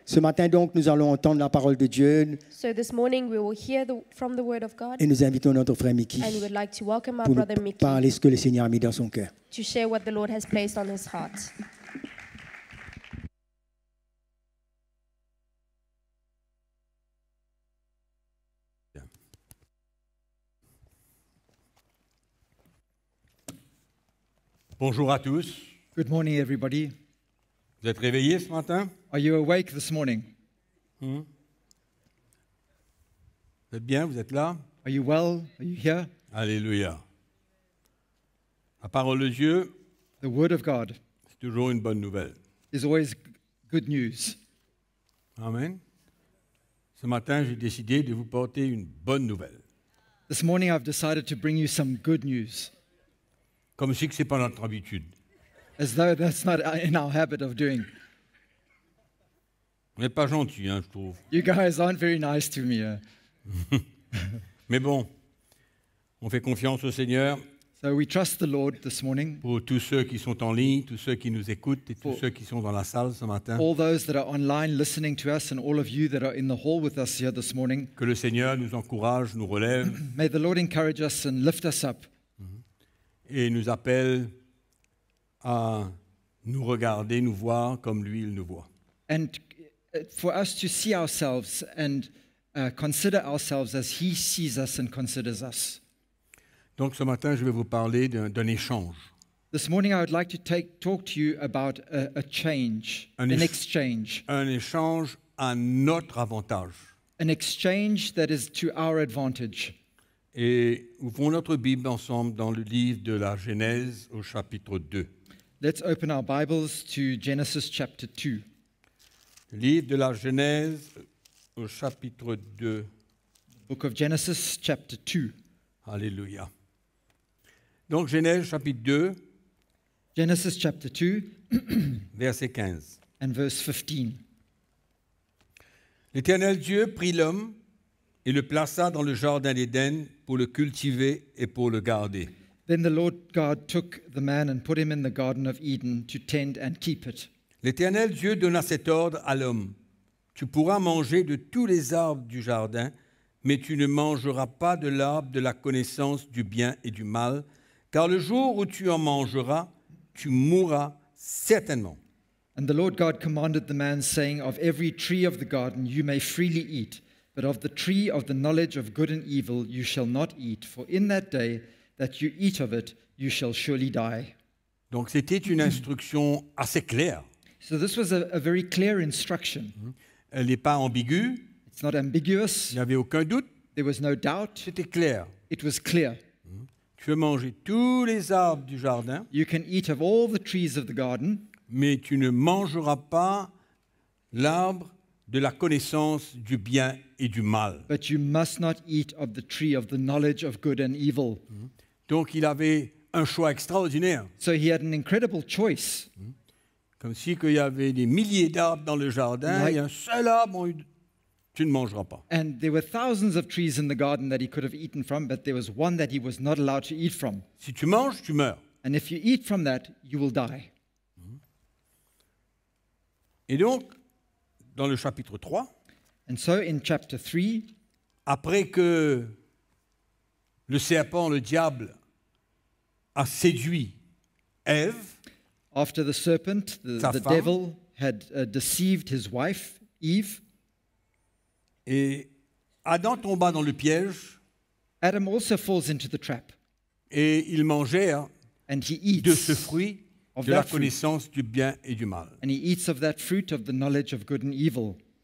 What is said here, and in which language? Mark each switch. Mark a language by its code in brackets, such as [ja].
[fr] Ce matin donc, nous allons entendre la parole de Dieu. [en] So this morning we will hear from the word of God. [fr] Et nous invitons notre frère Mickey. [en] And we would like to welcome our [fr] pour [en] brother Mickey. [fr] Parler ce que le Seigneur a mis dans son cœur. [en] To share what the Lord has placed on his heart. [fr] Bonjour à tous. [en] Good morning, everybody. [fr] Vous êtes réveillés ce matin? [en] Are you awake this morning? [fr] Vous êtes bien, vous êtes là? [en] Are you well? Are you here? [fr] Alléluia. La parole de Dieu. [en] The word of God. [fr] C'est toujours une bonne nouvelle. [en] Is always good news. Amen. [fr] Ce matin, j'ai décidé de vous porter une bonne nouvelle. [en] This morning, I've decided to bring you some good news. [fr] Comme si que c'est pas notre habitude. [en] As though that's not in our habit of doing. [fr] Vous n'êtes pas gentil, hein, je trouve. [en] You guys aren't very nice to me. [fr] Mais bon, on fait confiance au Seigneur. [en] So we trust the Lord this morning. [fr] Pour tous ceux qui sont en ligne, tous ceux qui nous écoutent et tous ceux qui sont dans la salle ce matin. [en] All those that are online listening to us and all of you that are in the hall with us here this morning. [fr] Que le Seigneur nous encourage, nous relève. [en] May the Lord encourage us and lift us up. [fr] Et nous appelle à nous regarder, nous voir comme lui il nous voit. [en] And for us to see ourselves and consider ourselves as he sees us and considers us. [fr] Donc ce matin, je vais vous parler d'un échange. [en] This morning I would like to talk to you about a change, an exchange. [fr] Un échange à notre avantage. [en] An exchange that is to our advantage. [fr] Et ouvrons notre Bible ensemble dans le livre de la Genèse au chapitre 2. [en] Let's open our Bibles to Genesis chapter 2. [fr] Livre de la Genèse au chapitre 2. [en] Book of Genesis chapter 2. [fr] Alléluia. Donc Genèse chapitre 2. [en] Genesis chapter 2. [fr] Verset 15. [en] And verse 15. [fr] L'Éternel Dieu prit l'homme et le plaça dans le jardin d'Éden pour le cultiver et pour le garder. [en] Then the Lord God took the man and put him in the garden of Eden to tend and keep it. [fr] L'Éternel Dieu donna cet ordre à l'homme. Tu pourras manger de tous les arbres du jardin, mais tu ne mangeras pas de l'arbre de la connaissance du bien et du mal, car le jour où tu en mangeras, tu mourras certainement. [en] And the Lord God commanded the man, saying, of every tree of the garden you may freely eat, but of the tree of the knowledge of good and evil you shall not eat, for in that day that you eat of it, you shall surely die. [fr] Donc c'était une instruction assez claire. [en] So this was a very clear instruction. [fr] Elle n'est pas ambiguë. [en] It's not ambiguous. [fr] Il n'y avait aucun doute. [en] There was no doubt. [fr] C'était clair. [en] It was clear. [fr] Tu peux manger tous les arbres du jardin. [en] You can eat of all the trees of the garden. [fr] Mais tu ne mangeras pas l'arbre de la connaissance du bien et du mal. [en] But you must not eat of the tree of the knowledge of good and evil. [fr] Donc il avait un choix extraordinaire. [en] So he had an incredible choice. [fr] Comme si qu'il y avait des milliers d'arbres dans le jardin, et un seul arbre, tu ne mangeras pas. [en] And there were thousands of trees in the garden that he could have eaten from, but there was one that he was not allowed to eat from. [fr] Si tu manges, tu meurs. [en] And if you eat from that, you will die. [fr] Et donc, dans le chapitre 3, [en] and so in chapter 3, [fr] après que le serpent, le diable, a séduit Ève, [en] after the serpent, the devil had deceived his wife, Eve. [fr] Et Adam tomba dans le piège. [en] Adam also falls into the trap. [fr] Et il mangeait [en] and he eats [fr] de ce fruit de la connaissance du bien et du mal. [en] And he eats of that fruit of the knowledge of good and evil.